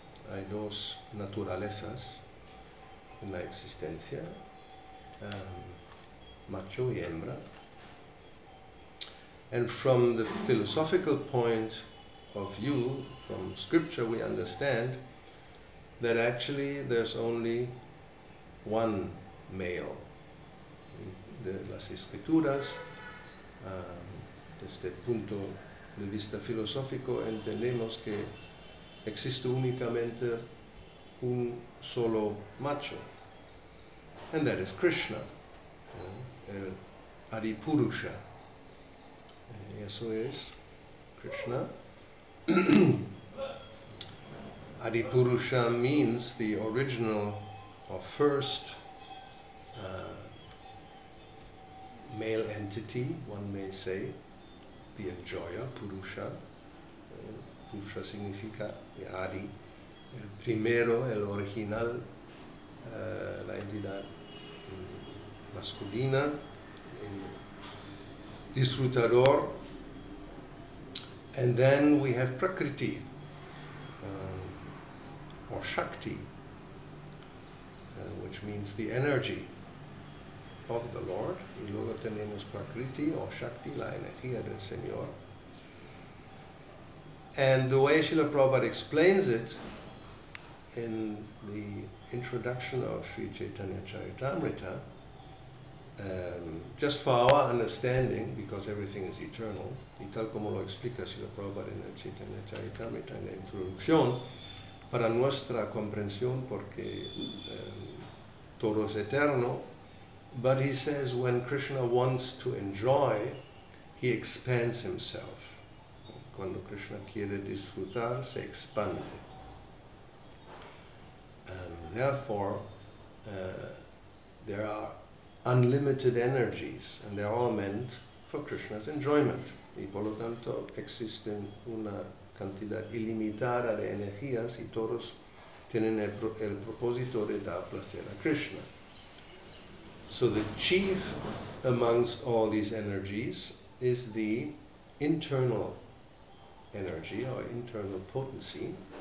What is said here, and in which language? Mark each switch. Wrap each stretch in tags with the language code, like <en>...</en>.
<es>Hay dos naturalezas en la existencia, macho y hembra.</es> <en>And from the philosophical point of view, from scripture, we understand that actually there's only one male.</en> <es>De las escrituras, desde el punto de vista filosófico, entendemos que existe únicamente un solo macho,</es> <en>and that is Krishna,</en> <es>el Adipurusha. Eso es Krishna.</es> <en>Adipurusha means the original or first male entity, one may say, the enjoyer, Purusha.</en> <es>Purusha significa Adi, el primero, el original, la entidad masculina, el disfrutador.</es> <en>And then we have Prakriti, or Shakti, which means the energy of the Lord.</en> <es>Y luego tenemos Prakriti, or Shakti, la energía del Señor.</es> <en>And the way Srila Prabhupada explains it in the introduction of Sri Chaitanya Charitamrita, just for our understanding, because everything is eternal,</en> <es>y tal como lo explica Srila Prabhupada en el Chaitanya Charitamrita, en la introducción, para nuestra comprensión, porque todo es eterno.</es> <en>But he says when Krishna wants to enjoy, he expands himself.</en> <es>Cuando Krishna quiere disfrutar, se expande.</es> <en>And therefore, there are unlimited energies, and they are all meant for Krishna's enjoyment.</en> <es>Y por lo tanto, existen una cantidad ilimitada de energías y todos tienen el propósito de dar placer a Krishna.</es> <en>So the chief amongst all these energies is the internal energy or internal potency.</en>